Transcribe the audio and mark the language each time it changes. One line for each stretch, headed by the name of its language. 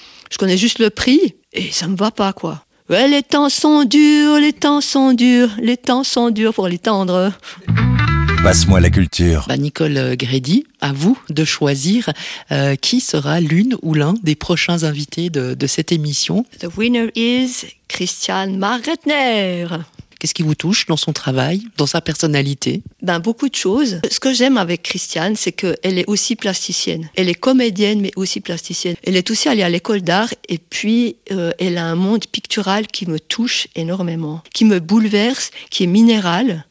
French: Je connais juste le prix, et ça ne me va pas, quoi. Ouais, les temps sont durs, les temps sont durs, les temps sont durs pour les tendres. Passe-moi la culture. Nicole Grédy, à vous de choisir qui sera l'une ou l'un des prochains invités de cette émission.
English: The winner is Christiane Marretner.
French: Qu'est-ce qui vous touche dans son travail, dans sa personnalité? Beaucoup de choses. Ce que j'aime avec Christiane, c'est qu'elle est aussi plasticienne. Elle est comédienne, mais aussi plasticienne. Elle est aussi allée à l'école d'art, et puis elle a un monde pictural qui me touche énormément, qui me bouleverse, qui est minéral.